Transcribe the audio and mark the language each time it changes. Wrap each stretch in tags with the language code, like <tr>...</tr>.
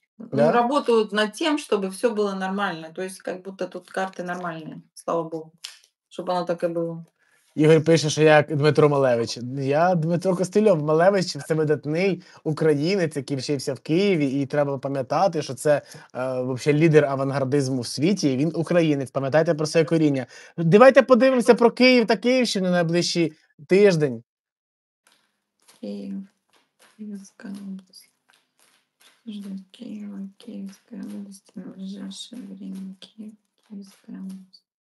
<ru>Да? Ну, работают над тем, чтобы все было нормально. То есть, как будто тут карты нормальные, слава богу, чтобы оно так и было.</ru> <uk>Ігор пише, що я Дмитро Малевич. Я Дмитро Костильов. Малевич – це видатний українець, який вчився в Києві. І треба пам'ятати, що це взагалі лідер авангардизму в світі. І він українець. Пам'ятайте про своє коріння. Давайте подивимося про Київ та Київщину на найближчий тиждень. Київ. Київська область. Києва, Київська область. На ближайше время Київська область.</uk>